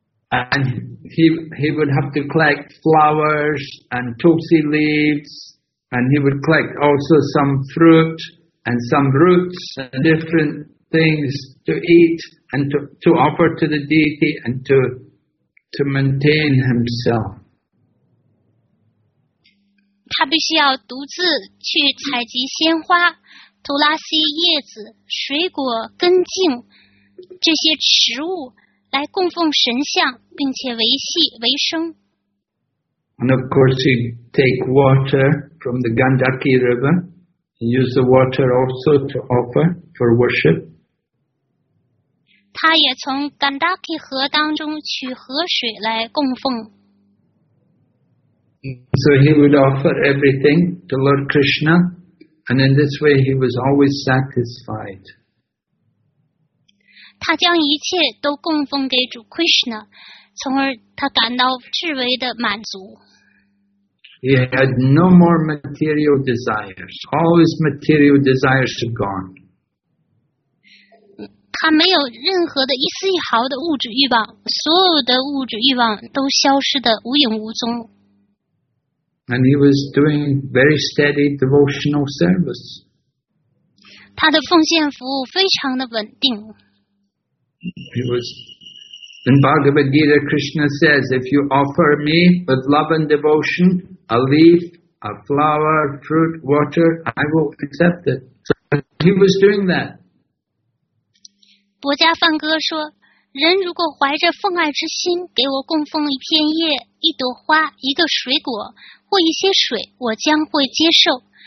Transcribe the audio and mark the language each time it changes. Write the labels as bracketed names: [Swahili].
[English] And he would have to collect flowers and tulsi leaves, and he would collect also some fruit and some roots and different things to eat and to offer to the deity and to maintain himself. [Chinese] 他必须要独自去采集鲜花、图拉西叶子、水果、根茎，这些食物来供奉神像，并且维系维生。 [English] And of course, you take water from the Gandaki River, and use the water also to offer for worship. [Chinese] 他也从 Gandaki 河当中取河水来供奉。 [English] So he would offer everything to Lord Krishna, and in this way he was always satisfied. [Chinese] 他将一切都供奉给主 Krishna, 从而他感到至为的满足。 [English] He had no more material desires. All his material desires are gone. [Chinese] 他没有任何的一丝一毫的物质欲望，所有的物质欲望都消失得无影无踪。 [English] And he was doing very steady devotional service. [Chinese] 他的奉献服务非常的稳定。 [English] He was... In Bhagavad Gita, Krishna says, if you offer me with love and devotion, a leaf, a flower, fruit, water, I will accept it. So he was doing that. [Chinese] 薄伽梵歌说，人如果怀着奉爱之心，给我供奉一片叶，一朵花，一个水果，或一些水，我将会接受。